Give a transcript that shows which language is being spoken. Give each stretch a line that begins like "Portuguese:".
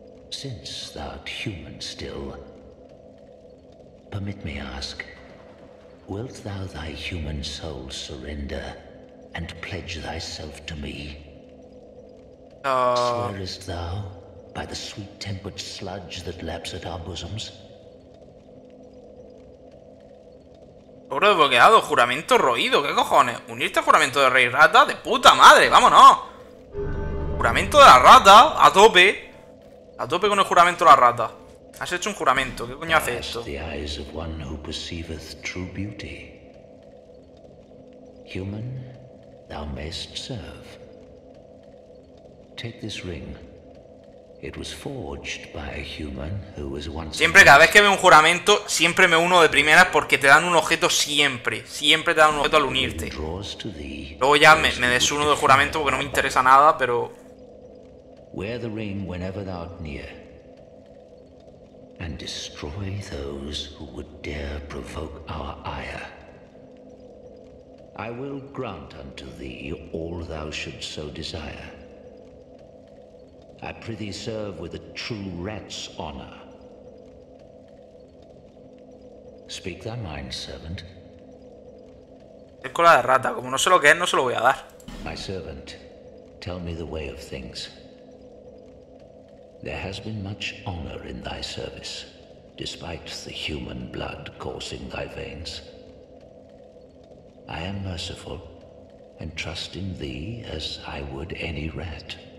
English: Since thou'rt human still, permit me ask, wilt thou thy human soul surrender and pledge thyself to me? Swearest thou by the sweet-tempered sludge that laps at our bosoms?
Spanish: Oro desbloqueado, juramento roído, ¿qué cojones? ¿Unirte al juramento de rey rata? ¡De puta madre! ¡Vámonos! Juramento de la rata, a tope. A tope con el juramento de la rata. Has hecho un juramento, ¿qué coño hace esto?
English: The eyes of one who perceiveth true beauty. Human, thou mayst serve. Take this ring. It was forged by a human who was once.
Spanish: Siempre, cada vez que veo un juramento, siempre me uno de primeras porque te dan un objeto siempre. Siempre te dan un objeto al unirte. Luego ya me desuno del juramento porque no me interesa nada, pero.
English: Wear the ring whenever thou art near. And destroy those who would dare provoke our ire. I will grant unto thee all thou should so desire. I prithee serve with a true rat's honor. Speak thy mind, servant.
Spanish: Es cola de rata, como no sé lo que es, no se lo voy a dar.
English: My servant, tell me the way of things. There has been much honor in thy service, despite the human blood coursing thy veins. I am merciful, and trust in thee as I would any rat.